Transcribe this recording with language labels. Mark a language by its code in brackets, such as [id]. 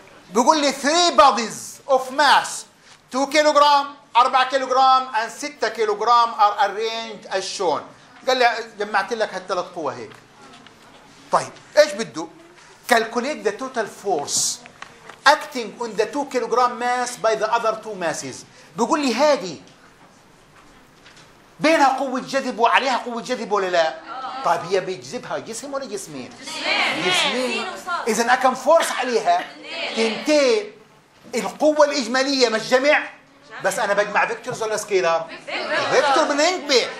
[ar] بيقول لي [en] 3 bodies of mass 2 kilogram 4 kilogram and 6 kilogram are arranged as shown. [ar] قال لي جمعت لك هالثلاث قوة هيك. طيب، إيش بده؟ [en] calculate the total force acting on the 2 kilogram mass by the other 2 masses. [ar] بيقول لي هذه بينها قوة جذب وعليها قوة جذب ولا لا؟ طيب هي بيجذبها جسم ولا جسمين؟ جسمين. إذا أكم فورس عليها؟ تنتين. القوة الإجمالية مش جمع؟ بس أنا بجمع فيكتورز ولا سكيلر؟ فيكتور من إنكبي.